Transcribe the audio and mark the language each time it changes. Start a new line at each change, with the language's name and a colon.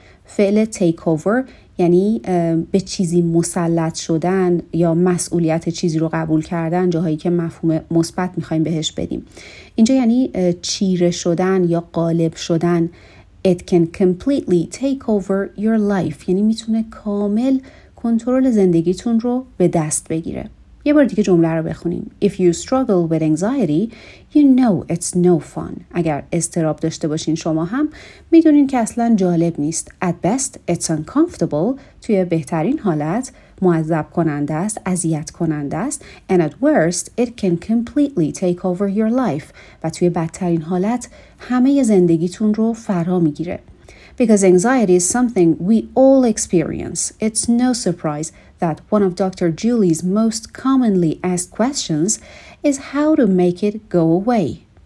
Persian: فعل take over یعنی به چیزی مسلط شدن یا مسئولیت چیزی رو قبول کردن جاهایی که مفهوم مثبت میخواییم بهش بدیم. اینجا یعنی چیره شدن یا غالب شدن.
English: It can completely take over your life.
Persian: یعنی میتونه کامل کنترل زندگیتون رو به دست بگیره. یه بار دیگه جمله رو بخونیم.
English: If you struggle with anxiety, you know it's no fun.
Persian: اگر اضطراب داشته باشین شما هم میدونین که اصلا جالب نیست.
English: At best, it's uncomfortable.
Persian: توی بهترین حالت معذب کننده است، اذیت کننده است.
English: And at worst, it can completely take over your life.
Persian: و توی بدترین حالت همه زندگیتون رو فرا میگیره.
English: Because anxiety is something we all experience. It's no surprise that one of Dr. Julie's most commonly asked questions is how to make it go away.